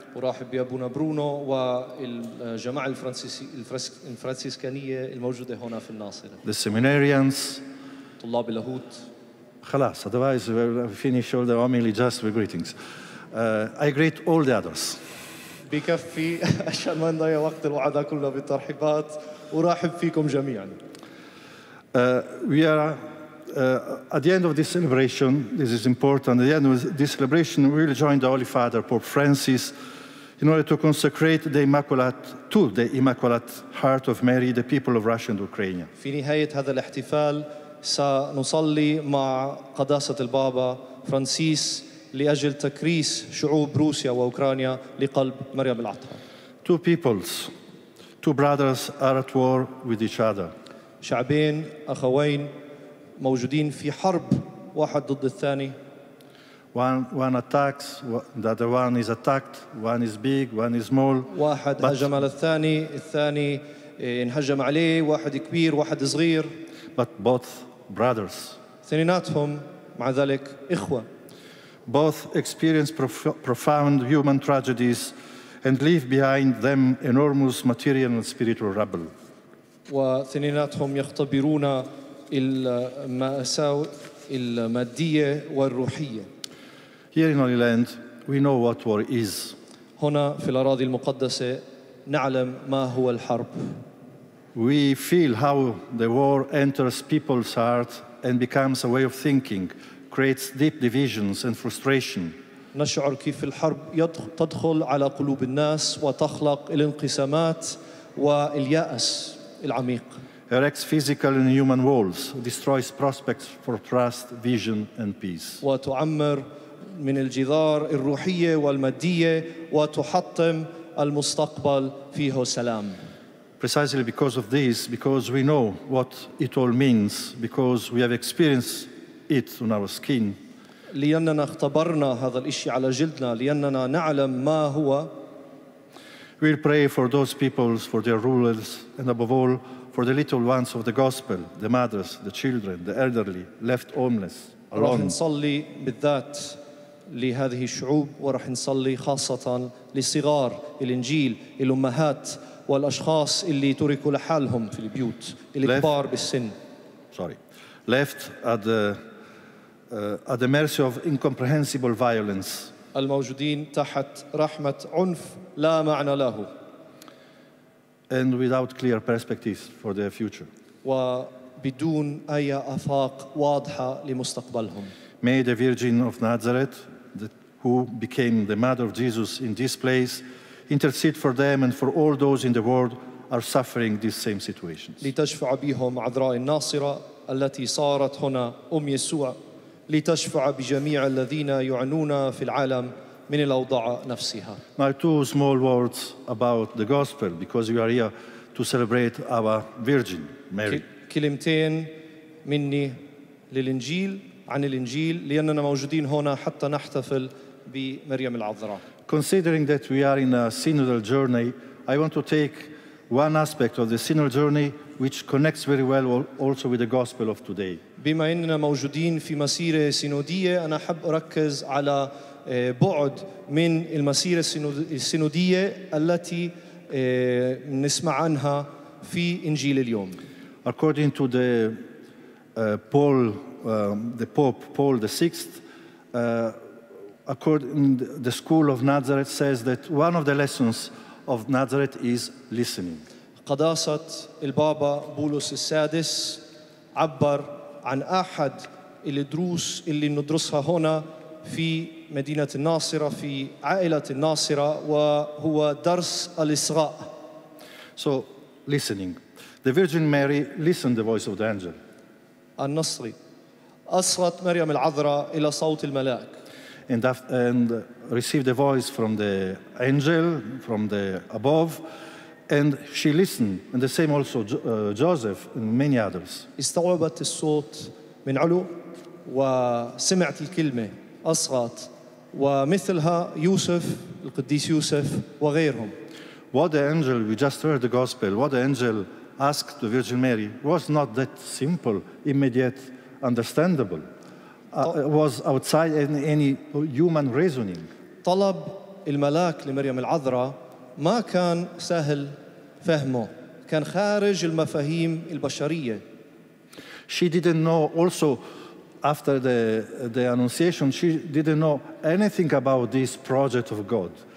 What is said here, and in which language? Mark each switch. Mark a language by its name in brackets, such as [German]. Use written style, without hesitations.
[Arabic] ورحب يا أبونا برونو والجماعة الفرنسيسكانية الموجودة هنا في الناصرة. [English] The seminarians. [Arabic] طلاب اللاهوت. خلاص. [English] Otherwise we'll finish all the homily just with greetings. I greet all the others. [Arabic] بكفي عشان ما نضيع وقت الوعدة كله بالترحيبات ورحب فيكم جميعا. [English] We are at the end of this celebration. This is important. At the end of this celebration, we will join the Holy Father, Pope Francis, in order to consecrate the Immaculate Heart of Mary, the people of Russia and Ukraine. [Arabic] في نهاية هذا الاحتفال سنصلي مع قداسة البابا فرانسيس لأجل تكريس شعوب روسيا وأوكرانيا لقلب مريم العطرة. [English] Two peoples, two brothers are at war with each other. [Arabic] شعبين أخوين موجودين في حرب واحد ضد الثاني. [English] One attacks, the other one is attacked, one is big, one is small. [Arabic] واحد هجم على الثاني انهجم عليه, واحد كبير, واحد صغير. [English] But both brothers. [Arabic] ثنيناتهم مع ذلك إخوة. [English] Both experience profound human tragedies and leave behind them enormous material and spiritual rubble. [Arabic] وثنيناتهم يختبرون المأساة المادية والروحية. [English] Here in Holy Land, we know what war is. [Arabic] هنا في الأراضي المقدسة نعلم ما هو الحرب. [English] We feel how the war enters people's heart and becomes a way of thinking, creates deep divisions and frustration. [Arabic] نشعر كيف الحرب تدخل على قلوب الناس وتخلق الانقسامات واليأس العميق. [English] Erects physical and human walls, destroys prospects for trust, vision and peace. [Arabic] وتعمر من الجدار الروحية والمادية وتحطم المستقبل فيه سلام. [English] Precisely because of this, because we know what it all means, because we have experienced it on our skin. [Arabic] لأننا اختبرنا هذا الإشي على جلدنا, لأننا نعلم ما هو. [English] We'll pray for those peoples, for their rulers, and above all, for the little ones of the gospel, the mothers, the children, the elderly, left homeless, alone. [Arabic] نصلي بالذات لهذه الشعوب ورح نصلي خاصة لصغار الإنجيل الأمهات والأشخاص اللي تركوا لحالهم في البيوت الكبار بالسن. [English] Sorry. Left at the mercy of incomprehensible violence. [Arabic] الموجودين تحت رحمة عنف لا معنى له. [English] And without clear perspectives for their future. [Arabic] وبدون أي آفاق واضحة لمستقبلهم. [English] May the Virgin of Nazareth, who became the mother of Jesus in this place, intercede for them and for all those in the world are suffering these same situations. [Arabic] لتشفع بهم عذراء الناصرة التي صارت هنا أم يسوع, لتشفع بجميع الذين يعانون في العالم من الأوضاع نفسها. [English] Now two small words about the gospel, because we are here to celebrate our Virgin Mary. [Arabic] كلمتين مني للإنجيل عن الإنجيل لأننا موجودين هنا حتى نحتفل بمريم العذراء. [English] Considering that we are in a synodal journey, I want to take one aspect of the synodal journey which connects very well also with the gospel of today. [Arabic] بما أننا موجودين في مسيرة سينودية, أنا أحب أركز على بعد من المسيرة السينودية التي نسمع عنها في إنجيل اليوم. [English] According to the Paul, the Pope Paul VI, according the school of Nazareth says that one of the lessons of Nazareth is listening. [Arabic] قداسة البابا بولس السادس عبر عن أحد الدروس اللي ندرسها هنا في مدينة الناصرة في عائلة الناصرة, وهو درس الإصغاء. [English] So listening. The Virgin Mary listened the voice of the angel. [Arabic] النصري أصغت مريم العذراء إلى صوت الملاك. [English] And received a voice from the angel from the above, and she listened. And the same also Joseph and many others. [Arabic] استوعبت الصوت من علو وسمعت الكلمة أصغت ومثلها يوسف القديس يوسف وغيرهم. [English] What the angel, we just heard the gospel, what the angel asked the Virgin Mary was not that simple, immediate, understandable. It was outside any human reasoning. [Arabic] طلب الملاك لمريم العذراء ما كان سهل فهمه. كان خارج المفاهيم البشرية. [English] She didn't know also after the Annunciation, she didn't know anything about this project of God.